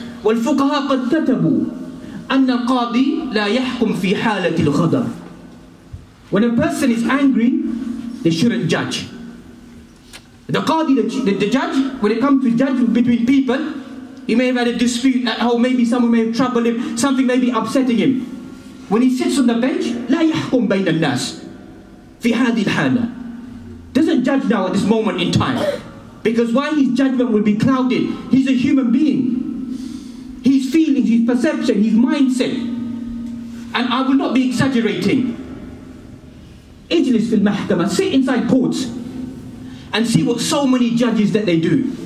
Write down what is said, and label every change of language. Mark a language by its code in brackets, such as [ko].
[ar] وَالْفُقَهَا قَدْ تَتَبُوا أَنَّ قَاضِي لَا يَحْكُمْ فِي حَالَةِ الْغَضَبِ. [en] When a person is angry, they shouldn't judge. The qadi, the judge, when it comes to judging between people, he may have had a dispute at home, maybe someone may have troubled him, something may be upsetting him. When he sits on the bench, [ar] لا يحكم بين الناس في هذه الحالة. [en] Doesn't judge now at this moment in time. Because why? His judgment will be clouded. He's a human being. His feelings, his perception, his mindset. And I will not be exaggerating. [ar] اجلس في المحكمة. [en] Sit inside courts and see what so many judges that they do.